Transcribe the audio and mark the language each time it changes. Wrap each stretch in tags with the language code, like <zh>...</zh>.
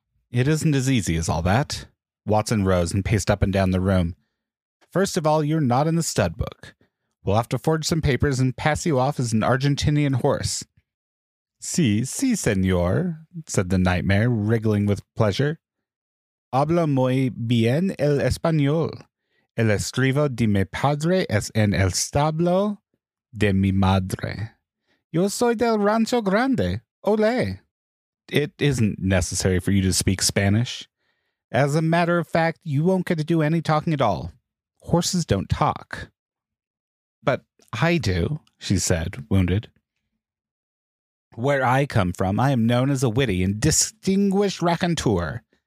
<en>"It isn't as easy as all that." Watson rose and paced up and down the room. "First of all, you're not in the stud book. We'll have to forge some papers and pass you off as an Argentinian horse.</en> <es>Si, senor,</es> <en>said the nightmare, wriggling with pleasure.</en> <es>Habla muy bien el español. El escribo de mi padre es en el establo de mi madre. Yo soy del Rancho Grande. Olé.</es> <en>It isn't necessary for you to speak Spanish. As a matter of fact, you won't get to do any talking at all. Horses don't talk. But I do, she said, wounded. Where I come from, I am known as a witty and distinguished raconteur.</en>